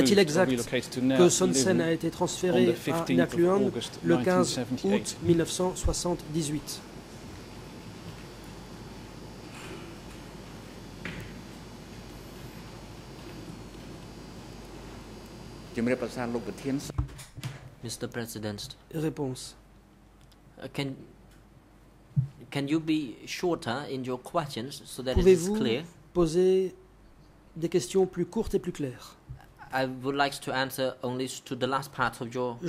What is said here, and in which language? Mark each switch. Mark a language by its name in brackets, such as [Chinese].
[French] est-il exact que Son Sen a été transféré à Nha Cluan le 15 août 1978? [English] Mr. President. [French] Réponse. [English] Can you be shorter in your questions so that [French] pouvez-vous [English] it is clear? [French] Poser des questions plus courtes et plus claires. [English] I would like to answer only to the last part of your question.